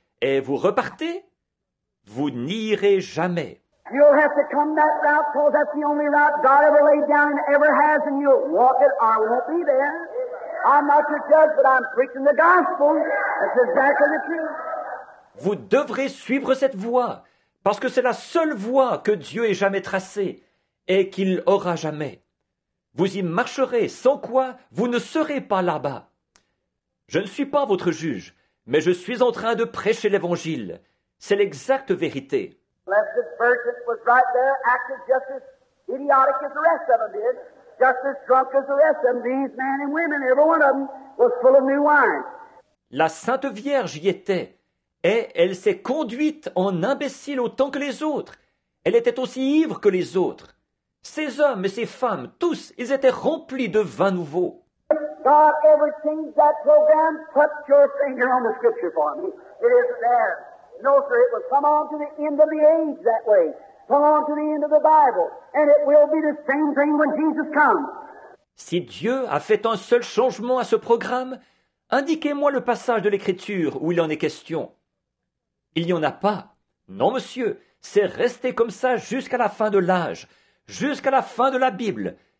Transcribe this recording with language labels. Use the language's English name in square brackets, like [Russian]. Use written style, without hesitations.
[French] et vous repartez? Vous n'y irez jamais. [English] You'll have to come that route because that's the only route God ever laid down and ever has and you'll walk it or I won't be there. I'm not your judge, but I'm preaching the gospel. That's exactly the truth. [French] Vous devrez suivre cette voie, parce que c'est la seule voie que Dieu ait jamais tracée et qu'il aura jamais. Vous y marcherez, sans quoi vous ne serez pas là-bas. Je ne suis pas votre juge, mais je suis en train de prêcher l'évangile. C'est l'exacte vérité. [English] Blessed Virgin was right there, acting just as idiotic as the rest of them did, just as drunk as the rest of them. These men and women, every one of them, was full of new wine. [French] La Sainte Vierge y était. Et elle s'est conduite en imbécile autant que les autres. Elle était aussi ivre que les autres. Ces hommes et ces femmes, tous, ils étaient remplis de vin nouveau. [English] God ever changed that program? Put your finger on the scripture for me. It isn't there. No, sir, it was come on to the end of the age that way. from on to the end of the Bible. And it will be the same thing when Jesus comes. [French] Si Dieu a fait un seul changement à ce programme, indiquez-moi le passage de l'Écriture où il en est question. Il n'y en a pas. Non, monsieur, c'est resté comme ça jusqu'à la fin de l'âge, jusqu'à la fin de la Bible.